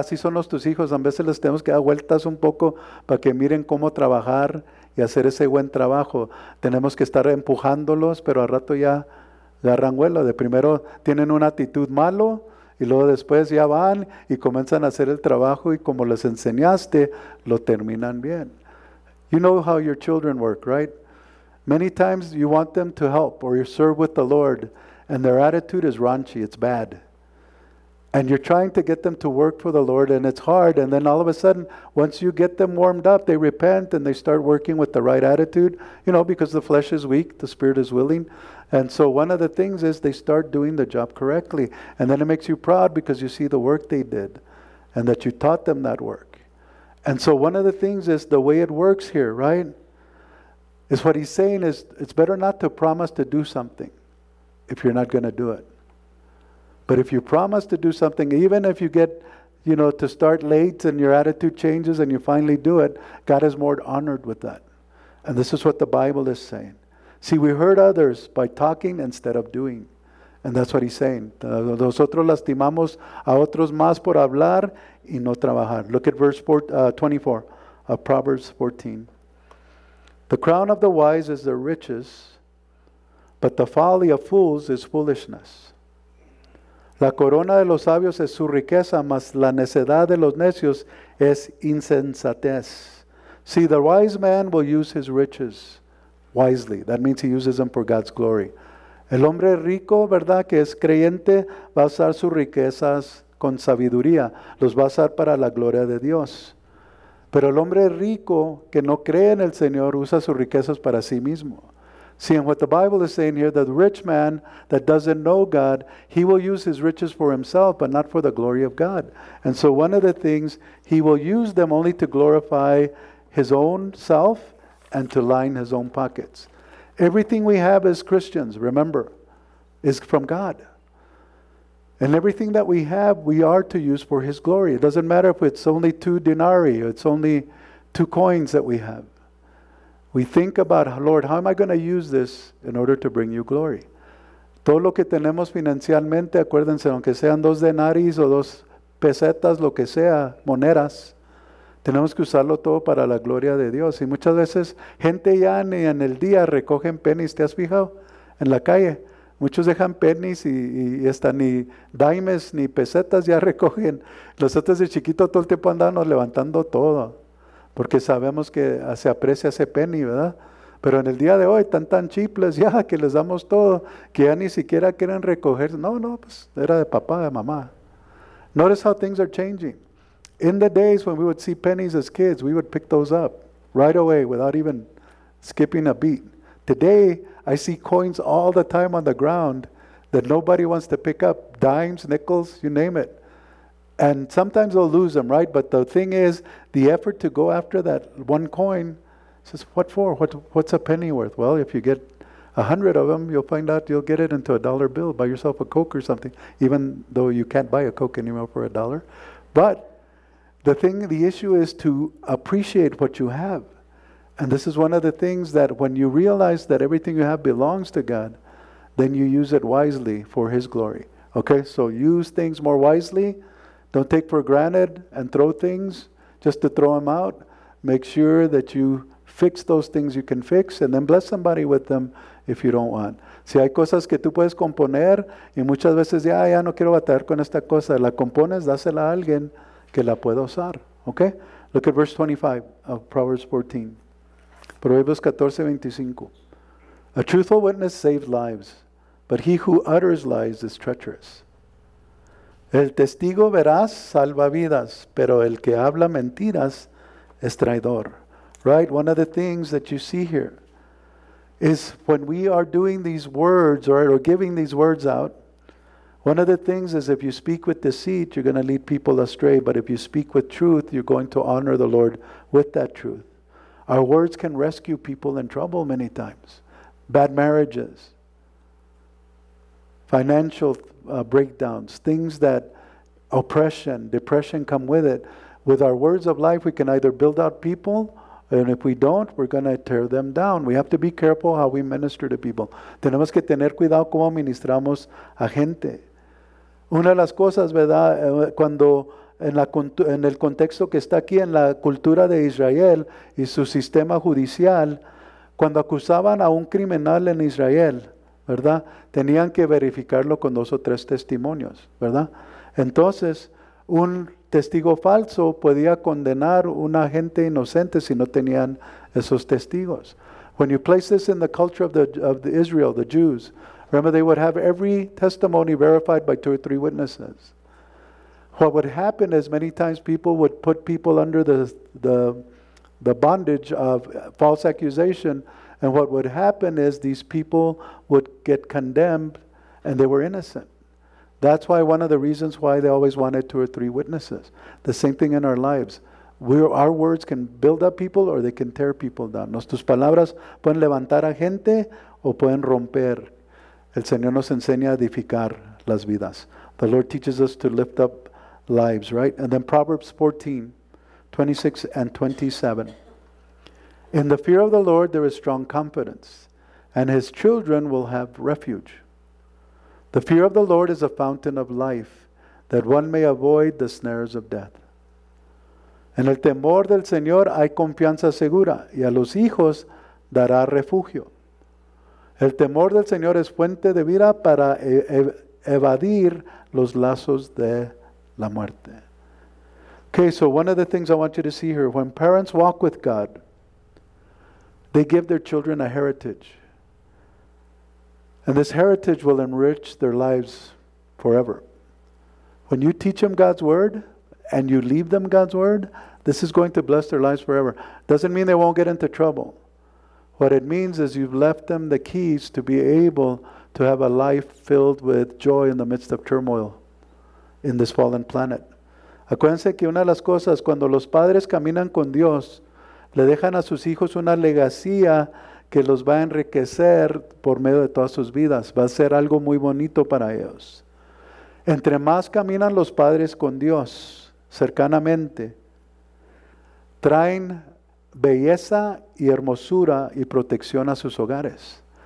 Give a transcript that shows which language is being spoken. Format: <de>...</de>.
<es>Así son los tus hijos, a veces les tenemos que dar vueltas un poco para que miren cómo trabajar y hacer ese buen trabajo. Tenemos que estar empujándolos, pero al rato ya agarran vuelo. De primero tienen una actitud malo y luego después ya van y comienzan a hacer el trabajo y como les enseñaste, lo terminan bien.</es> <en>You know how your children work, right? Many times you want them to help or you serve with the Lord, and their attitude is raunchy, it's bad. And you're trying to get them to work for the Lord, and it's hard. And then all of a sudden, once you get them warmed up, they repent and they start working with the right attitude. You know, because the flesh is weak, the spirit is willing. And so one of the things is they start doing the job correctly. And then it makes you proud because you see the work they did and that you taught them that work. And so one of the things is the way it works here, right? Is what he's saying is it's better not to promise to do something if you're not going to do it. But if you promise to do something, even if you get, you know, to start late and your attitude changes and you finally do it, God is more honored with that. And this is what the Bible is saying. See, we hurt others by talking instead of doing. And that's what he's saying.</en> <es>Nosotros lastimamos a otros más por hablar y no trabajar.</es> <en>Look at verse 24 of Proverbs 14. The crown of the wise is their riches, but the folly of fools is foolishness.</en> <es>La corona de los sabios es su riqueza, mas la necedad de los necios es insensatez.</es> <en>See, the wise man will use his riches wisely. That means he uses them for God's glory.</en> <es>El hombre rico, ¿verdad?, que es creyente, va a usar sus riquezas con sabiduría. Los va a usar para la gloria de Dios. Pero el hombre rico que no cree en el Señor usa sus riquezas para sí mismo.</es> <en>See, and what the Bible is saying here, that the rich man that doesn't know God, he will use his riches for himself, but not for the glory of God. And so one of the things, he will use them only to glorify his own self and to line his own pockets. Everything we have as Christians, remember, is from God. And everything that we have, we are to use for his glory. It doesn't matter if it's only 2 denarii, it's only 2 coins that we have. We think about, Lord, how am I going to use this in order to bring you glory?</en> <es>Todo lo que tenemos financialmente, acuérdense, aunque sean 2 denarios o 2 pesetas, lo que sea, monedas, tenemos que usarlo todo para la gloria de Dios. Y muchas veces, gente ya ni en el día recogen pennies, ¿te has fijado? En la calle. Muchos dejan pennies y hasta ni dimes ni pesetas ya recogen. Los otros de chiquito todo el tiempo andamos levantando todo. Porque sabemos que se aprecia ese penny, ¿verdad? Pero en el día de hoy están tan chiples ya que les damos todo, que ya ni siquiera quieren recoger. No, no, pues era de papá, de mamá.</es> <en>Notice how things are changing. In the days when we would see pennies as kids, we would pick those up right away without even skipping a beat. Today, I see coins all the time on the ground that nobody wants to pick up. Dimes, nickels, you name it. And sometimes they'll lose them, right? But the thing is, the effort to go after that one coin, says, what for? What's a penny worth? Well, if you get 100 of them, you'll find out you'll get it into a dollar bill. Buy yourself a Coke or something, even though you can't buy a Coke anymore for a dollar. But the issue is to appreciate what you have. And this is one of the things that when you realize that everything you have belongs to God, then you use it wisely for his glory. Okay, so use things more wisely. Don't take for granted and throw things just to throw them out. Make sure that you fix those things you can fix and then bless somebody with them if you don't want.</en> <es>Si hay cosas que tú puedes componer y muchas veces ya no quiero batallar con esta cosa, la compones, dásela a alguien que la pueda usar.</es> <en>Okay? Look at verse 25 of Proverbs 14. Proverbios 14, 25. A truthful witness saves lives, but he who utters lies is treacherous.</en> <es>El testigo veraz salva vidas, pero el que habla mentiras es traidor.</es> <en>Right? One of the things that you see here is when we are doing these words or giving these words out, one of the things is if you speak with deceit, you're going to lead people astray. But if you speak with truth, you're going to honor the Lord with that truth. Our words can rescue people in trouble many times. Bad marriages, financial breakdowns, things that oppression, depression come with it. With our words of life, we can either build out people, and if we don't, we're going to tear them down. We have to be careful how we minister to people.</en> <es>Tenemos que tener cuidado cómo ministramos a gente. Una de las cosas, ¿verdad? Cuando en el contexto que está aquí, en la cultura de Israel y su sistema judicial, cuando acusaban a un criminal en Israel, ¿verdad? Tenían que verificarlo con 2 o 3 testimonios, ¿verdad? Entonces, un testigo falso podía condenar a un agente inocente si no tenían esos testigos.</es> <en>When you place this in the culture of the Israel, the Jews, remember they would have every testimony verified by 2 or 3 witnesses. What would happen is many times people would put people under the bondage of false accusation. And what would happen is these people would get condemned and they were innocent. That's why one of the reasons why they always wanted 2 or 3 witnesses. The same thing in our lives. Our words can build up people or they can tear people down.</en> <es>Nuestras palabras pueden levantar a gente o pueden romper. El Señor nos enseña a edificar las vidas.</es> <en>The Lord teaches us to lift up lives, right? And then Proverbs 14, 26 and 27. In the fear of the Lord, there is strong confidence, and his children will have refuge. The fear of the Lord is a fountain of life, that one may avoid the snares of death.</en> <es>En el temor del Señor hay confianza segura, y a los hijos dará refugio. El temor del Señor es fuente de vida para evadir los lazos de la muerte.</es> <en>Okay, so one of the things I want you to see here, when parents walk with God, they give their children a heritage. And this heritage will enrich their lives forever. When you teach them God's word and you leave them God's word, this is going to bless their lives forever. Doesn't mean they won't get into trouble. What it means is you've left them the keys to be able to have a life filled with joy in the midst of turmoil in this fallen planet.</en> <es>Acuérdense que una de las cosas, cuando los padres caminan con Dios, le dejan a sus hijos una legacía que los va a enriquecer por medio de todas sus vidas. Va a ser algo muy bonito para ellos. Entre más caminan los padres con Dios, cercanamente, traen belleza y hermosura y protección a sus hogares.</es>